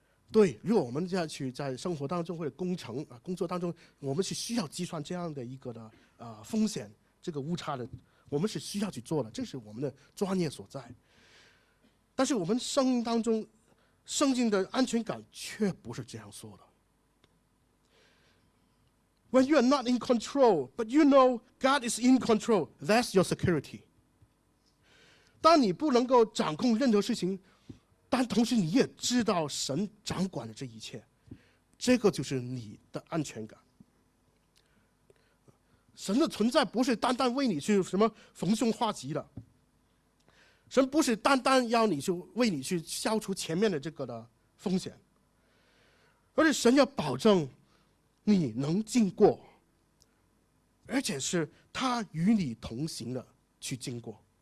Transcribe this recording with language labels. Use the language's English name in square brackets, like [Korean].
[Chinese] 对，如果我们要去在生活当中或者工作当中，我们是需要计算这样的一个的风险，这个误差的，我们是需要去做的，这是我们的专业所在。但是我们生命当中，圣经的安全感却不是这样说的。 [English] When you are not in control, but you know God is in control, that's your security. [Chinese] 当你不能够掌控任何事情，但同时你也知道神掌管了这一切，这个就是你的安全感。神的存在不是单单为你去什么逢凶化吉的，神不是单单要你去为你去消除前面的这个的风险，而是神要保证你能经过，而且是他与你同行的去经过。